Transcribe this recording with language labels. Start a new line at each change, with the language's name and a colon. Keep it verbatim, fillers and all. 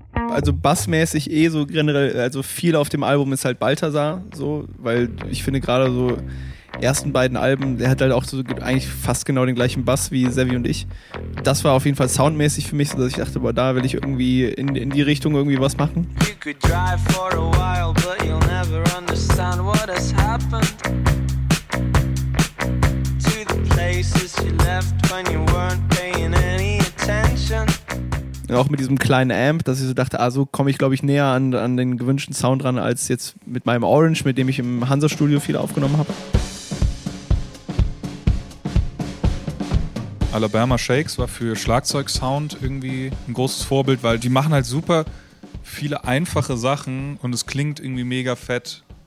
German: Also bassmäßig eh so generell, also viel auf dem Album ist halt Balthasar, so, weil ich finde gerade so ersten beiden Alben, der hat halt auch so eigentlich fast genau den gleichen Bass wie Sevi und ich. Das war auf jeden Fall soundmäßig für mich, so dass ich dachte, boah, da will ich irgendwie in, in die Richtung irgendwie was machen.
English: You could drive for a while, but you'll never understand what has happened to the places you left when you weren't paying any attention.
German: Auch mit diesem kleinen Amp, dass ich so dachte, ah, so komme ich, glaube ich, näher an, an den gewünschten Sound ran, als jetzt mit meinem Orange, mit dem ich im Hansa-Studio viel aufgenommen habe. Alabama Shakes war für Schlagzeugsound irgendwie ein großes Vorbild, weil die machen halt super viele einfache Sachen und es klingt irgendwie mega fett.